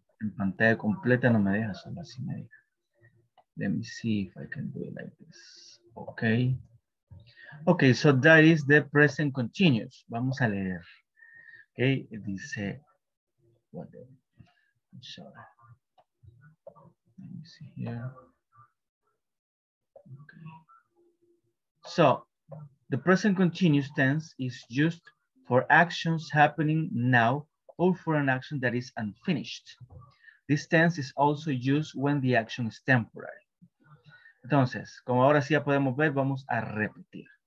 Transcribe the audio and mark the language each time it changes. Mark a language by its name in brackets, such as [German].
[Spanish] En pantalla completa no me deja, solo así me deja. [English] Let me see if I can do it like this. Okay. Okay, so that is the present continuous. [Spanish] Vamos a leer. [English] Okay, it dice, what the, I'm sorry. Let me see here. Okay. So the present continuous tense is used for actions happening now or for an action that is unfinished. This tense is also used when the action is temporary. [Spanish] Entonces, como ahora sí ya podemos ver, vamos a repetir.